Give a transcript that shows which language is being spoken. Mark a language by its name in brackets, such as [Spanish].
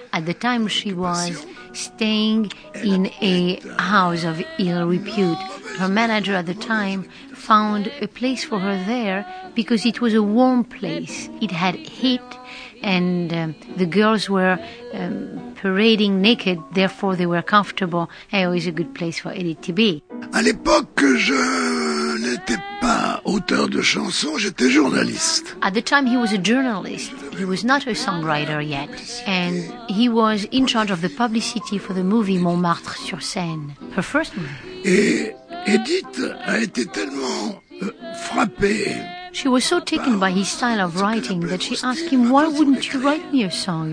[English] At the time, she was staying in a house of ill repute. Her manager at the time found a place for her there because it was a warm place. It had heat, and the girls were parading naked, therefore they were comfortable. It was a good place for Edith to be. [French] À l'époque, je n'étais pas auteur de chansons, j'étais journaliste. [English] At the time, he was a journalist. He was not a songwriter yet. And he was in charge of the publicity for the movie Montmartre sur Seine, her first movie. [French] Et Edith a été tellement frappée. [English] She was so taken by his style of writing that she asked him, why wouldn't you write me a song?